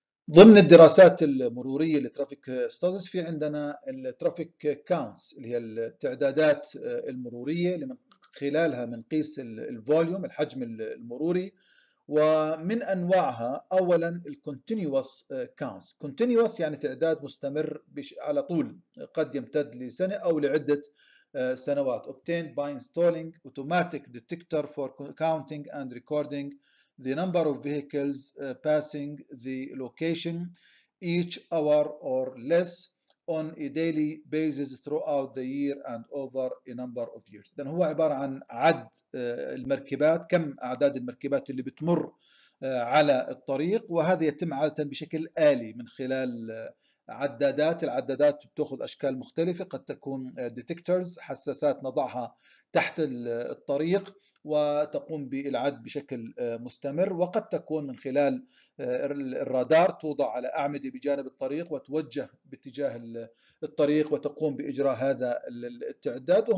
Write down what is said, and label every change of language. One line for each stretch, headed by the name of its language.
Arabic: ضمن الدراسات المروريه لترافيك ستاتس في عندنا الترافيك كاونتس اللي هي التعدادات المروريه اللي من خلالها بنقيس الفوليوم الحجم المروري، ومن انواعها اولا الكونتينوس كاونتس. كونتينوس يعني تعداد مستمر على طول، قد يمتد لسنه او لعده سنوات.
English: obtained by installing automatic detector for counting and recording the number of vehicles passing the location each hour or less on a daily basis throughout the year and over a number of years.
Arabic: إذن هو عبارة عن عد المركبات، كم أعداد المركبات اللي بتمر على الطريق، وهذا يتم عادة بشكل آلي من خلال عدادات. العدادات بتأخذ أشكال مختلفة، قد تكون detectors حساسات نضعها تحت الطريق وتقوم بالعد بشكل مستمر، وقد تكون من خلال الرادار توضع على أعمدة بجانب الطريق وتوجه باتجاه الطريق وتقوم بإجراء هذا التعداد.